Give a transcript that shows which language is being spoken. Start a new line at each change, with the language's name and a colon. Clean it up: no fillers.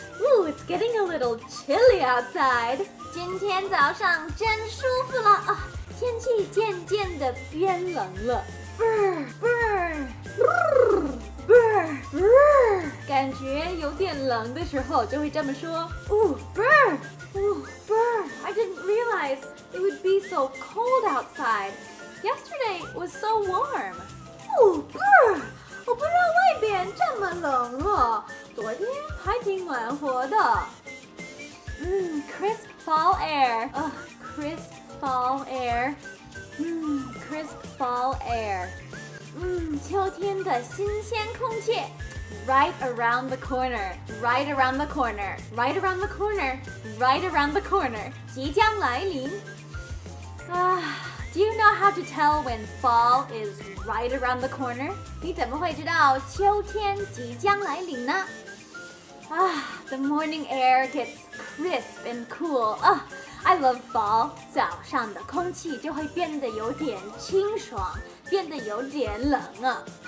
English: Ooh, it's getting a little chilly outside.
Chinese: 今天早上真舒服了啊！天气渐渐的变冷了。 Brrr, brrr, brrr, brrr, brrr. 感觉有点冷的时候就会这么说。 Ooh, brrr, ooh, brrr.
English: I didn't realize it would be so cold outside. Yesterday was so warm. Ooh, brrr.
Chinese: 我不知道外边这么冷了，昨天还挺暖和的。
English: Crisp fall air. Crisp fall air. Crisp fall air.
Chinese: 秋天的新鲜空气。
English: Right around the corner. Right around the corner. Right around the corner. Right around the corner.
Chinese: 即将来临。
English: Do you know how to tell when fall is right around the corner?
Chinese: 你怎么会知道秋天即将来临呢？
English: The morning air gets crisp and cool. I love fall.
Chinese: 早上的空气就会变得有点清爽，变得有点冷啊。